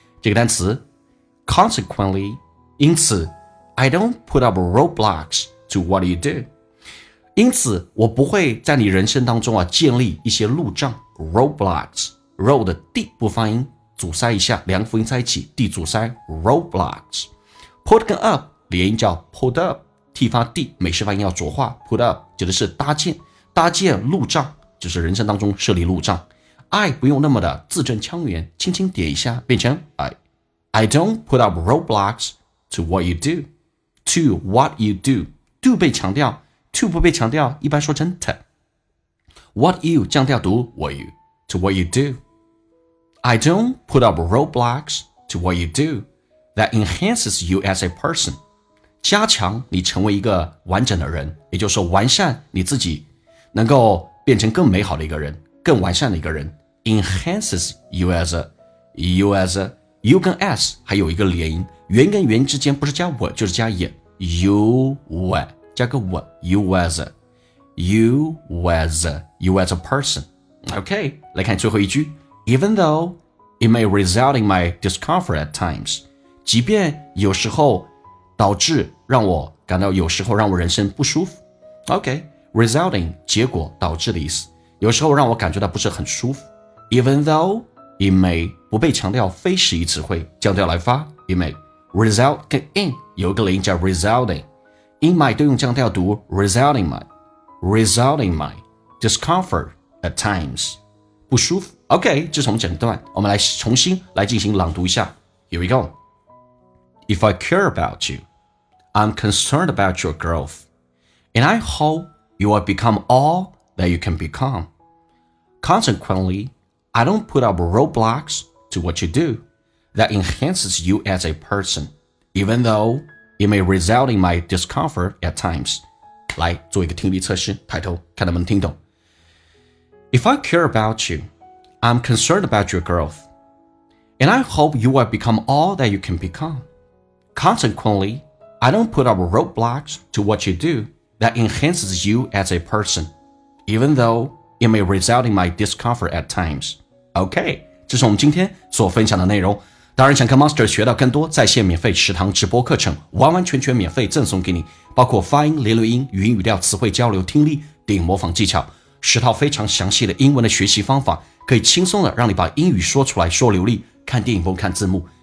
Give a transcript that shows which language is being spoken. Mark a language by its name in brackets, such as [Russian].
[Chinese] 这个单词 [English] consequently, [Chinese] 因此 [English] I don't put up roadblocksTo what you do. [Chinese] 因此我不会在你人生当中啊建立一些路障 roadblocks, road 地不发音，阻塞一下，两个辅音在一起地阻塞 roadblocks. Put 跟 up, 连音叫 put up, T 发地，美式发音要浊化， put up, 指的是搭建，搭建路障，就是人生当中设立路障。 [English] I [Chinese] 不用那么的字正腔圆，轻轻点一下变成 [English] I don't put up roadblocks to what you do. To what you do. to [Chinese] 被强调 [English] to [Chinese] 不被强调一般说成 [English] to what you [Chinese] 降调读 [English] what you to what you do I don't put up roadblocks to what you do that enhances you as a person [Chinese] 加强你成为一个完整的人，也就是说完善你自己，能够变成更美好的一个人，更完善的一个人。 [English] enhances you as a you as a you [Chinese] 跟 as 还有一个连音，原跟原之间不是加我就是加也。 [English] You were, [Chinese] 加个 [English] were, you was a, you was a, you was a person. Okay, 来看最后一句。Even though it may result in my discomfort at times, [Chinese] 即便有时候导致让我感到有时候让我人生不舒服。 Okay, resulting, 结果导致的意思。有时候让我感觉到不是很舒服。 [English] Even though it may, [Chinese] 不被强调非实义词汇，降调来发 [English] it may. Result 跟 in [Chinese] 有个连叫 [English] resulting, in my [Chinese] 都用降调读 [English] resulting my, resulting my discomfort at times. [Chinese] 不舒服。OK, 这是我们整段。我们来重新来进行朗读一下。 [English] Here we go. If I care about you, I'm concerned about your growth, and I hope you will become all that you can become. Consequently, I don't put up roadblocks to what you do that enhances you as a person, even though it may result in my discomfort at times. [Chinese] 来做一个听力测试，抬头看能不能听懂。 [English] If I care about you, I'm concerned about your growth, and I hope you will become all that you can become. Consequently, I don't put up roadblocks to what you do that enhances you as a person, even though it may result in my discomfort at times. [Chinese] OK, 这是我们今天所分享的内容。当然想跟 Master 学到更多在线免费食堂直播课程，完完全全免费赠送给你，包括发音、连读音、语音语调、词汇交流、听力、电影模仿技巧，十套非常详细的英文的学习方法，可以轻松的让你把英语说出来说流利，看电影不用看字幕。